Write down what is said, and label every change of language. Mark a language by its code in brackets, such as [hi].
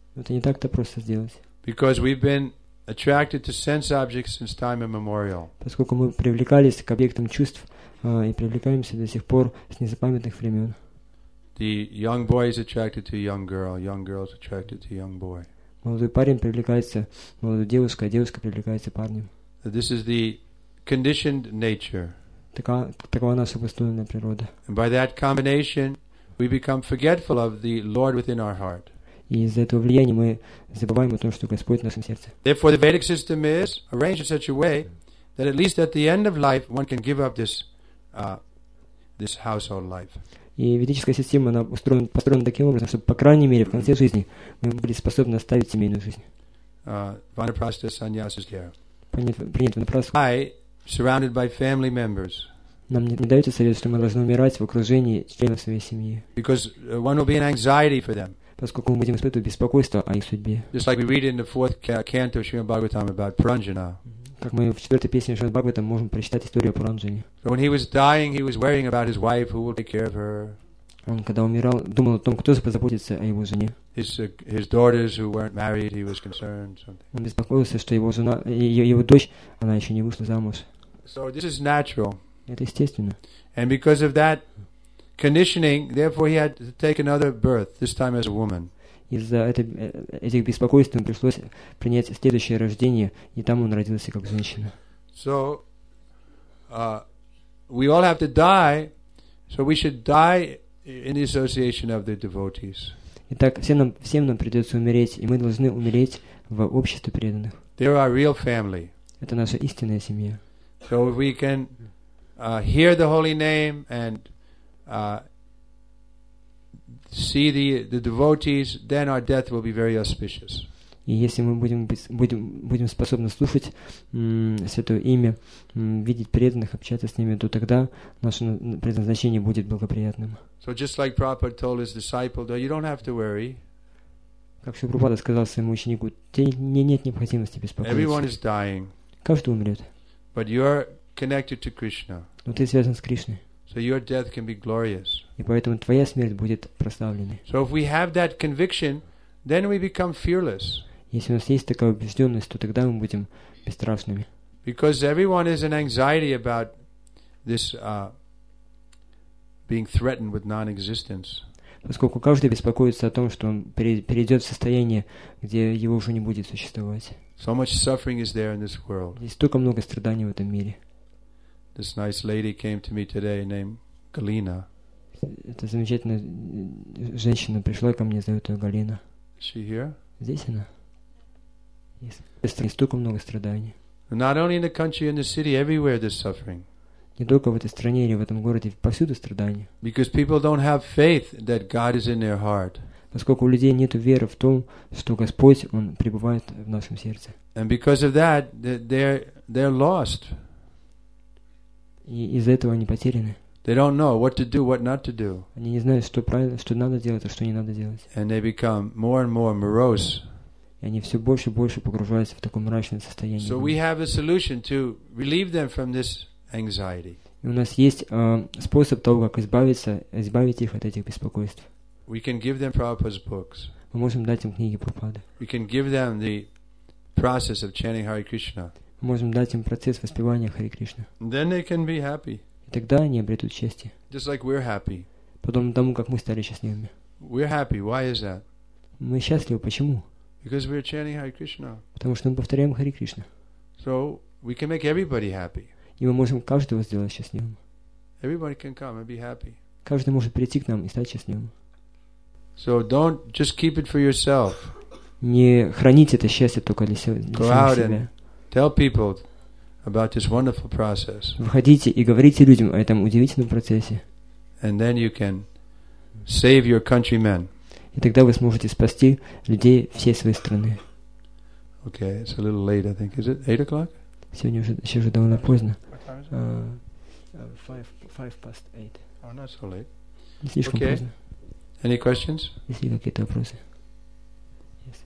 [ru] Это не так-то просто сделать. [en] Because we've been attracted to sense objects since time immemorial. [ru] Поскольку мы привлекались к объектам чувств и привлекаемся до сих пор с незапамятных времен. [en] The young boy is attracted to young girl. Young girl is attracted to young boy. [ru] Молодой парень привлекается молодой девушкой, а девушка привлекается парнем. [en] This is the conditioned nature. [ru] Такова наша обусловленная природа. [en] And by that combination, we become forgetful of the Lord within our heart. [ru] И из-за этого влияния мы забываем о том, что Господь в нашем сердце. [en] Therefore, the Vedic system is arranged in such a way that at least at the end of life, one can give up this household life. [ru] И ведическая система, она построена таким образом, чтобы, по крайней мере, в конце жизни мы были способны оставить семейную жизнь. [en] Vanaprastha sannyas is there. [ru] Принят Vanaprastha. [en] I, surrounded by family members. [ru] Нам не дается совет, что мы должны умирать в окружении членов своей семьи. [en] Because one will be an anxiety for them. [ru] Поскольку мы будем испытывать беспокойство о их судьбе. [en] Just like we read in the fourth canto of Srimad Bhagavatam about Puranjana. [ru] Как мы в четвертой песне Шримад Бхагаватам можем прочитать историю о Пуранджане. [en] So when he was dying, he was worrying about his wife, who will take care of her. [ru] Он когда умирал, думал о том, кто позаботится о его жене. [en] His daughters who weren't married, he was concerned. Something. [ru] Он беспокоился, что его жена, его дочь, она еще не вышла замуж. [en] So this is natural. [ru] Это естественно. [en] And because of that conditioning, therefore he had to take another birth, this time as a woman. [ru] Из-за этих беспокойств ему пришлось принять следующее рождение, и там он родился как женщина. [en] So, we all have to die, so we should die in the association of the devotees. [ru] Итак, всем нам придется умереть, и мы должны умереть в обществе преданных. [en] They're our real family. [ru] Это наша истинная семья. [en] So if we can hear the holy name and see the devotees, then our death will be very auspicious. [ru] И если мы будем способны слушать святое имя, видеть преданных, общаться с ними, то тогда наше предназначение будет благоприятным. [en] So just like Prabhupada told his disciple, though, you don't have to worry. [ru] Как Шрила Прабхупада сказал своему ученику, нет необходимости беспокоиться. [en] Everyone is dying. [ru] Каждый умрет. [en] But you are connected to Krishna. [ru] Но ты связан с Кришной. [en] So your death can be glorious. [ru] И поэтому твоя смерть будет прославленной. [en] So if we have that conviction, then we become fearless. [ru] Если у нас есть такая убежденность, то тогда мы будем бесстрашными. [en] Because everyone is in anxiety about this being threatened with non-existence. [ru] Поскольку каждый беспокоится о том, что он перейдет в состояние, где его уже не будет существовать. [en] So much suffering is there in this world. [ru] Есть столько много страданий в этом мире. [en] This nice lady came to me today named Galina. [ru] Эта замечательная женщина пришла ко мне, зовут ее Галина. [en] Is she here? [ru] Здесь она? столько много страданий. [en] Not only in the country, in the city, everywhere there's suffering. [ru] Не только в этой стране или в этом городе, повсюду страдания. [en] Because people don't have faith that God is in their heart. [ru] Поскольку у людей нет веры в том, что Господь, Он пребывает в нашем сердце. [en] And because of that, they're lost. [ru] И из-за этого они потеряны. [en] They don't know what to do, what not to do. [ru] Они не знают, что правильно, что надо делать, а что не надо делать. [en] And they become more and more morose. [ru] И они все больше и больше погружаются в такое мрачное состояние. [en] So we have a solution to relieve them from this anxiety. [ru] И у нас есть способ того, как избавить их от этих беспокойств. [en] We can give them Prabhupada's books. [ru] Мы можем дать им книги Прабхупады. [en] We can give them the process of chanting Hare Krishna. [ru] Мы можем дать им процесс воспевания Харе Кришны. [en] Then they can be happy. [ru] И тогда они обретут счастье. [en] Just like we're happy. [ru] Подобно тому, как мы стали счастливыми. [en] We're happy. Why is that? [ru] Мы счастливы. Почему? [en] Because we're chanting Hare Krishna. [ru] Потому что мы повторяем Харе Кришна. [en] So we can make everybody happy. [ru] И мы можем каждого сделать счастливым. [en] Everybody can come and be happy. [ru] Каждый может прийти к нам и стать счастливым. [en] So don't just keep it for yourself. [ru] Не храните это счастье только для себя. [en] Go out and tell people about this wonderful process. [ru] Выходите и говорите людям о этом удивительном процессе. [en] And then you can save your countrymen. [ru] И тогда вы сможете спасти людей всей своей страны. [en] Okay, it's a little late, I think. Is it 8 o'clock? [ru] Сегодня уже еще уже довольно поздно. [en] What time is it? 5 past 8. Oh, not so late. [ru] Поздно. [en] Any questions? Is there any questions? Yes. Yeah.